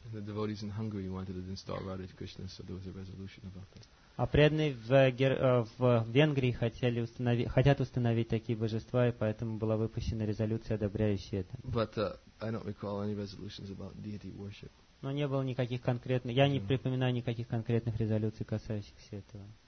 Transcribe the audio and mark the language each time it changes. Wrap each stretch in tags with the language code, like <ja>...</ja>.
<en>The devotees in Hungary wanted to install Radha and Krishna, so there was a resolution about that.</en> <ru>А преданные в Венгрии хотят установить такие божества, и поэтому была выпущена резолюция, одобряющая это.</ru> <en>But I don't recall any resolutions about deity worship.</en> <ru>Но не было никаких конкретных, я не припоминаю никаких конкретных резолюций, касающихся этого.</ru>